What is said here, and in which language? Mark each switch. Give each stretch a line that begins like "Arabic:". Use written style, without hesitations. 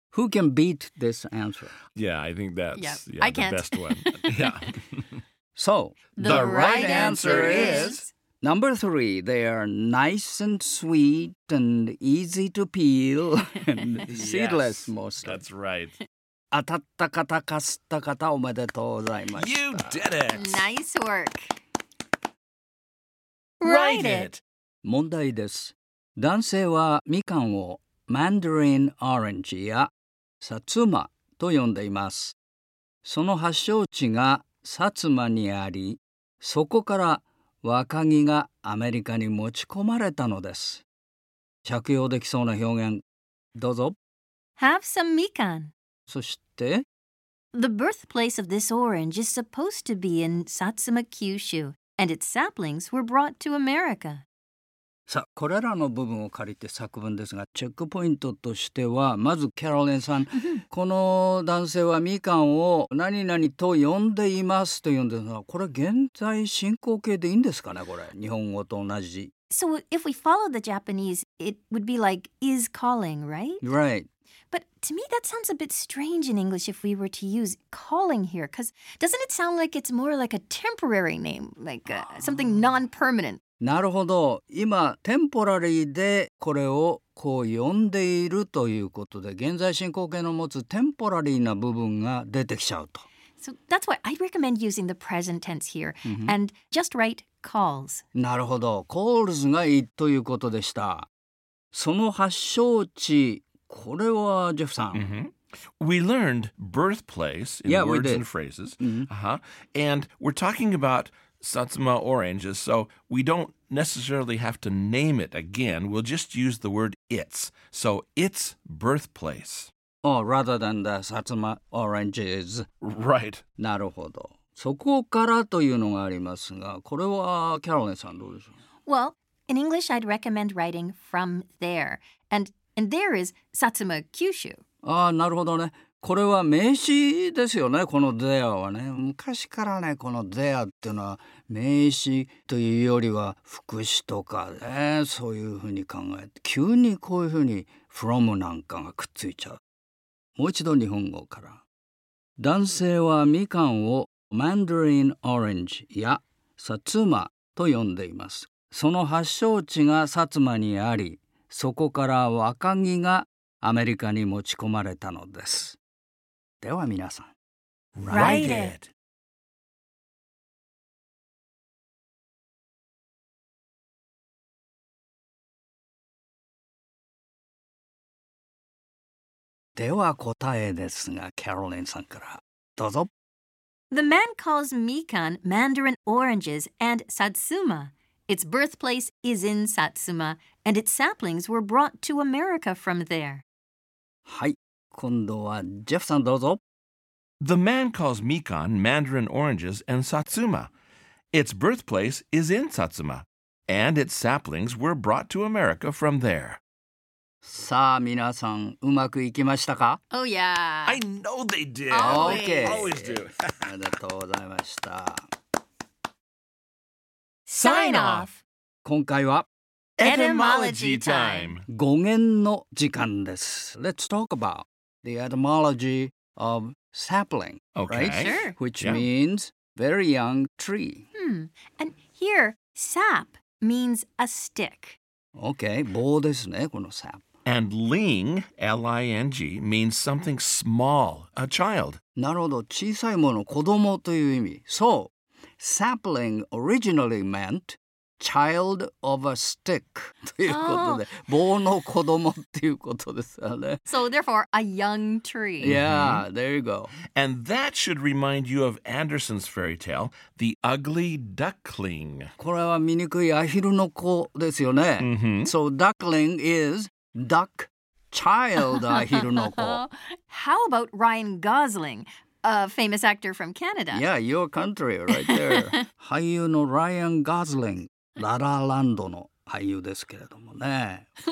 English: Who can beat this answer? Yeah, I think that's the best one. Yeah. So, the right answer is... Number three, they are nice and sweet and easy to peel and seedless most. That's right.
Japanese: 当たった方、勝った方、おめでとうございました。
English: You did it! Nice work! Write it!
Japanese: 問題です。男性はみかんをマンダリンオレンジやSatsuma と呼んでいます。その発祥地が薩摩にあり、そこから若木がアメリカに持ち込まれたのです。着用できそうな表現、どうぞ。
English: Have some mikan.
Japanese: そして、
English: The birthplace of this orange is supposed to be in Satsuma, Kyushu, and its saplings were brought to America.
Japanese: さあ、これらの部分を借りて作文ですが、チェックポイントとしては、まずキャロリンさん、この男性はみかんを何々と呼んでいますと言うんですが、これ現在進行形でいいんですかね、これ、日本語と同じ。
English: So if we follow the Japanese, it would be like is calling, right? Right. But to me, that sounds a bit strange in English if we were to use calling here, because doesn't it sound like it's more like a temporary name, like something non-permanent?
Japanese: なるほど。今、テンポラリーでこれをこう呼んでいるということで、現在進行形の持つテンポラリーな部分が出てきちゃうと。
English: So that's why I recommend using the present tense here, and just write calls.
Japanese: なるほど。calls がいいということでした。その発祥地、これはジェフさん。
English: Mm-hmm. We learned birthplace in words and phrases. Mm-hmm. Uh-huh. And we're talking about Satsuma oranges, so we don't necessarily have to name it again. We'll just use the word its. So its birthplace. Oh, rather than the Satsuma oranges. Right.
Japanese: なるほど。そこからというのがありますが、これはキャロリンさんどうでしょう?
English: Well, in English, I'd recommend writing from there. And there is Satsuma, Kyushu.
Japanese: ああ、なるほどね。これは名詞ですよね、この there はね。昔からね、この there っていうのは名詞というよりは副詞とかね、そういうふうに考えて、急にこういうふうに from なんかがくっついちゃう。もう一度日本語から。男性はみかんを Mandarin Orange や Satsuma と呼んでいます。その発祥地が薩摩にあり、そこから若木がアメリカに持ち込まれたのです。では皆さん。
English: Write it!
Japanese: では答えですが、キャロリンさんからどうぞ。
English: The man calls mikan mandarin oranges and satsuma. Its birthplace is in Satsuma, and its saplings were brought to America from there.
Japanese: はい、今度はジェフさんどうぞ。
English: The man calls mikan mandarin oranges and Satsuma. Its birthplace is in Satsuma, and its saplings were brought to America from there.
Japanese: さあ、皆さん、うまくいきましたか?
English: Oh, yeah. I know they did. Always. Always do.
Japanese: ありがとうございました。
English: Sign off!
Japanese: 今回は
English: Etymology Time!
Japanese: 語源の時間です。
English: Let's talk about the etymology of sapling, okay. right? Sure. Which yeah. means very young tree. Hmm. And here, sap means a stick. Okay,
Japanese: 棒ですね、この sap.
English: And ling, L-I-N-G, means something small, a child.
Japanese: なるほど、小さいもの、子供という意味。
English: So,Sapling originally meant child of a stick.
Japanese: ということで、棒の子供っていうことですよね。
English: So therefore, a young tree. Yeah, there you go. And that should remind you of Anderson's fairy tale, The Ugly Duckling.
Japanese: これは醜いアヒルの子ですよね。 Mm-hmm.
English: So duckling is duck child
Japanese: アヒルの子。
English: How about Ryan Gosling? A famous actor from Canada. Yeah, your country right there.
Japanese: 俳優のライアン・ガズリング、ララランドの俳優ですけれどもね。